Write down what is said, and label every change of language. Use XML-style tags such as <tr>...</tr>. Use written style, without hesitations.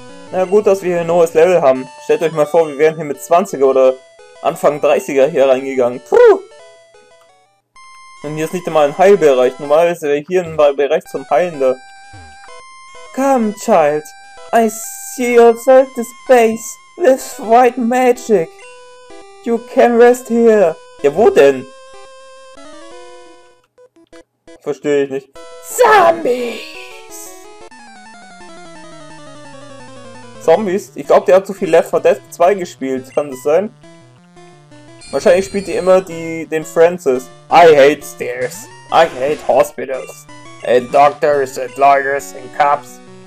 <de>Na gut, dass wir hier ein neues Level haben. Stellt euch mal vor, wir wären hier mit 20er oder Anfang 30er hier reingegangen. Puh! Und hier ist nicht einmal ein Heilbereich. Normalerweise wäre hier ein Bereich zum Heilen da.</de> <en>Come, child. I see yourself the space with white magic. You can rest here.</en> <de>Ja, wo denn? Verstehe ich nicht. Zombies! Zombies? Ich glaube, der hat zu viel Left 4 Dead 2 gespielt. Kann das sein? Wahrscheinlich spielt die immer den Francis.</de> <en>I hate stairs. I hate hospitals. And doctors and lawyers and cops.</en>